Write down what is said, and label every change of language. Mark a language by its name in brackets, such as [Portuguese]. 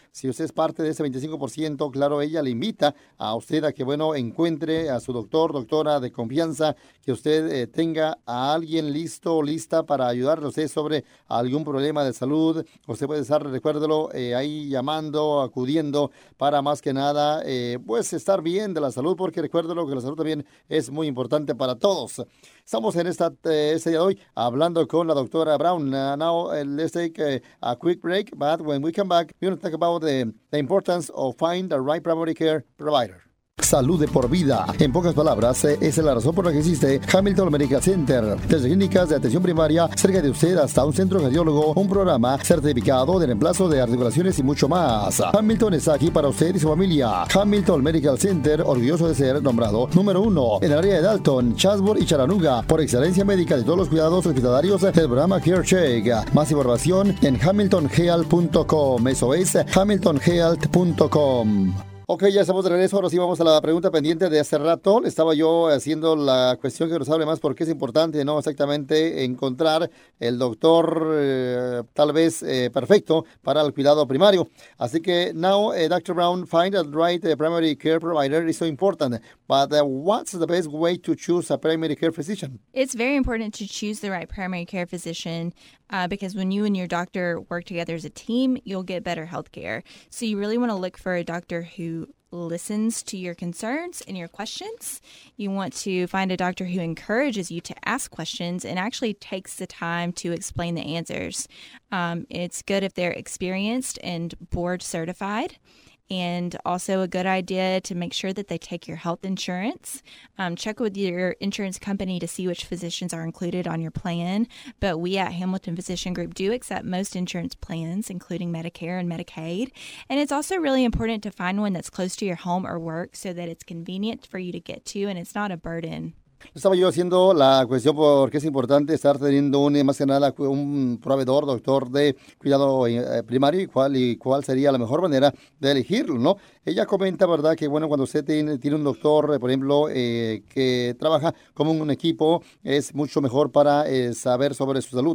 [Spanish] Si usted es parte de ese 25%, claro, ella le invita a usted a que, bueno, encuentre a su doctor, doctora de confianza, que usted tenga a alguien listo o lista para ayudarle a usted sobre algún problema de salud. Usted puede estar, recuérdelo, ahí llamando, acudiendo para para más que nada, pues, estar bien de la salud, porque recuérdalo que la salud también es muy importante para todos. Estamos en esta, este día de hoy hablando con la doctora Brown. [English] Now, let's take a quick break, but when we come back, we're going to talk about the importance of finding the right primary care provider. [Spanish] Salud de por vida. En pocas palabras, esa es la razón por la que existe Hamilton Medical Center. Desde clínicas de atención primaria cerca de usted hasta un centro cardiólogo, un programa certificado de reemplazo de articulaciones y mucho más. Hamilton está aquí para usted y su familia. Hamilton Medical Center, orgulloso de ser nombrado número uno en el área de Dalton, Chatsworth y Chattanooga por excelencia médica de todos los cuidados hospitalarios del programa CareCheck. Más información en HamiltonHealth.com. Eso es HamiltonHealth.com. Ok, ya estamos de regreso. Ahora sí vamos a la pregunta pendiente de hace rato. Le estaba yo haciendo la cuestión que nos hable más porque es importante, ¿no? Exactamente, encontrar el doctor tal vez perfecto para el cuidado primario. Así que, [English] now, Dr. Brown, find the right primary care provider is so important. But what's the best way to choose a primary care physician? It's very important to choose the right primary care physician. Because when you and your doctor work together as a team, you'll get better healthcare. So you really want to look for a doctor who listens to your concerns and your questions. You want to find a doctor who encourages you to ask questions and actually takes the time to explain the answers. It's good if they're experienced and board certified. And also a good idea to make sure that they take your health insurance. Check with your insurance company to see which physicians are included on your plan. But we at Hamilton Physician Group do accept most insurance plans, including Medicare and Medicaid. And it's also really important to find one that's close to your home or work so that it's convenient for you to get to and it's not a burden. [Spanish] Estaba yo haciendo la cuestión porque es importante estar teniendo un, más que nada, un proveedor, doctor de cuidado primario y cuál sería la mejor manera de elegirlo, ¿no? Ella comenta, ¿verdad?, que bueno, cuando usted tiene un doctor, por ejemplo, que trabaja como un equipo, es mucho mejor para saber sobre su salud.